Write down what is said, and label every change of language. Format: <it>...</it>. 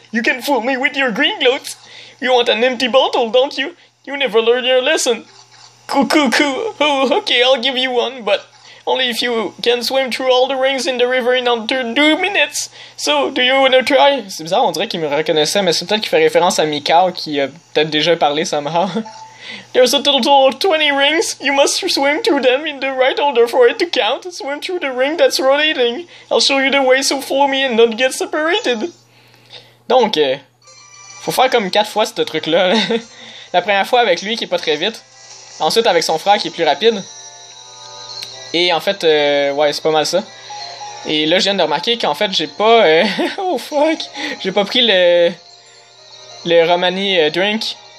<en>You can fool me with your green gloats! You want an empty bottle, don't you? You never learn your lesson! Coucou, coucou! Oh, okay, I'll give you one, but only if you can swim through all the rings in the river in under 2 minutes! So, do you wanna try?</en> <fr>C'est bizarre, on dirait qu'il me reconnaissait, mais c'est peut-être qu'il fait référence à Mikao qui a peut-être déjà parlé somehow.</fr> <en>There's a total of 20 rings. You must swim through them in the right order for it to count. Swim through the ring that's rotating. I'll show you the way so follow me and not get separated.</en> <fr>Donc, faut faire comme 4 fois ce truc-là. La première fois avec lui qui est pas très vite. Ensuite avec son frère qui est plus rapide. Et en fait, ouais, c'est pas mal ça. Et là, je viens de remarquer qu'en fait, j'ai pas. Oh fuck! J'ai pas pris le Romani Drink.</fr>